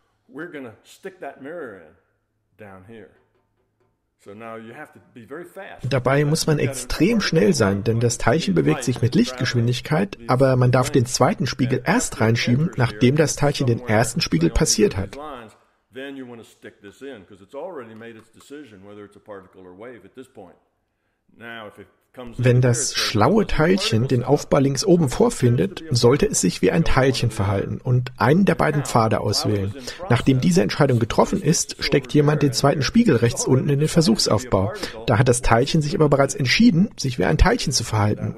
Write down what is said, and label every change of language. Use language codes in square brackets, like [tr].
[en] We're going to stick that mirror in down here. So now you have to be very fast. [de] Dabei muss man extrem schnell sein, denn das Teilchen bewegt sich mit Lichtgeschwindigkeit, aber man darf den zweiten Spiegel erst reinschieben, nachdem das Teilchen den ersten Spiegel passiert hat. [en] Then you want to stick this in because it's already made its decision whether it's a particle or wave at this point. Now if it [de] Wenn das schlaue Teilchen den Aufbau links oben vorfindet, sollte es sich wie ein Teilchen verhalten und einen der beiden Pfade auswählen. Nachdem diese Entscheidung getroffen ist, steckt jemand den zweiten Spiegel rechts unten in den Versuchsaufbau. Da hat das Teilchen sich aber bereits entschieden, sich wie ein Teilchen zu verhalten.